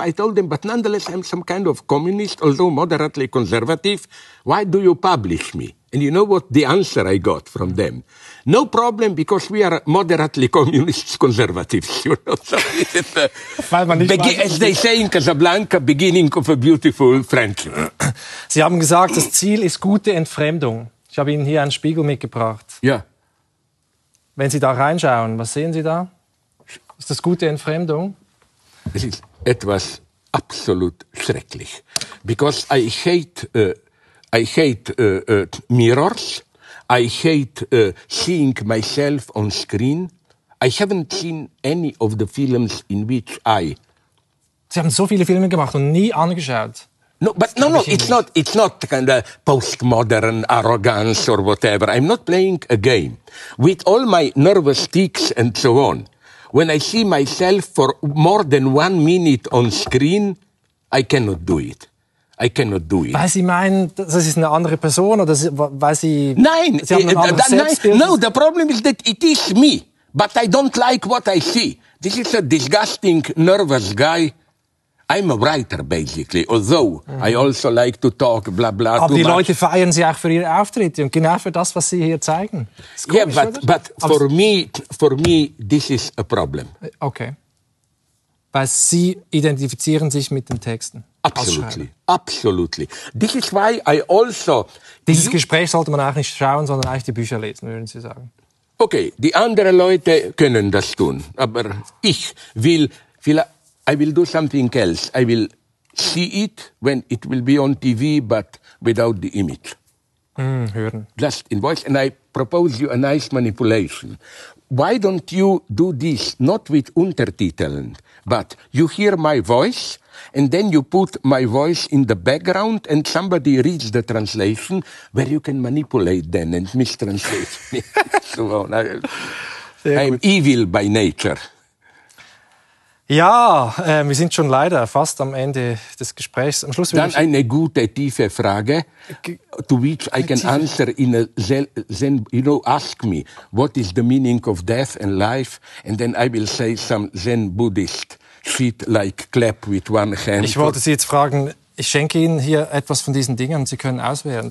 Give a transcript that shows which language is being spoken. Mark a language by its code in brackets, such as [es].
[en] I told them, but nonetheless, I'm some kind of communist, although moderately conservative. Why do you publish me? And you know what the answer I got from them? No problem, because we are moderately communist conservatives. You know, as they say in Casablanca, beginning of a beautiful friendship. [de] Sie haben gesagt, das Ziel ist gute Entfremdung. Ich habe Ihnen hier einen Spiegel mitgebracht. Ja. Wenn Sie da reinschauen, was sehen Sie da? Ist das gute Entfremdung? Es ist etwas absolut schrecklich. [en] Because I hate mirrors. I hate seeing myself on screen. I haven't seen any of the films in which I... [de] Sie haben so viele Filme gemacht und nie angeschaut. [en] No, but no, no, it's not kind of postmodern arrogance or whatever. I'm not playing a game. With all my nervous tics and so on, when I see myself for more than 1 minute on screen, I cannot do it. I cannot do it. [de] Weil Sie meinen, das ist eine andere Person oder weil Sie... Nein, Sie haben ein anderes Selbstbild. [en] No, the problem is that it is me, but I don't like what I see. This is a disgusting, nervous guy. I'm a writer, basically, although I also like to talk, blah, blah, [de] aber [en] too [de] die [en] much. [de] Leute feiern Sie auch für Ihre Auftritte und genau für das, was Sie hier zeigen. [en] Komisch, yeah, but for me, this is a problem. [de] Okay. Weil Sie identifizieren sich mit den Texten. [en] Absolutely, absolutely. This is why I also... [de] Dieses Gespräch sollte man auch nicht schauen, sondern eigentlich die Bücher lesen, würden Sie sagen. Okay, die anderen Leute können das tun, aber ich will vielleicht... [en] I will do something else. I will see it when it will be on TV, but without the image. [de] Hören. [en] Just in voice. And I propose you a nice manipulation. Why don't you do this, not with Untertiteln, but you hear my voice, and then you put my voice in the background, and somebody reads the translation, where you can manipulate then and mistranslate. So on. I'm evil by nature. [de] Ja, wir sind schon leider fast am Ende des Gesprächs. Am Schluss dann eine gute, tiefe Frage, [en] to which I can answer in a Zen, you know, ask me, what is the meaning of death and life? And then I will say some Zen Buddhist shit like clap with one hand. [de] Ich wollte Sie jetzt fragen, ich schenke Ihnen hier etwas von diesen Dingen und Sie können auswählen.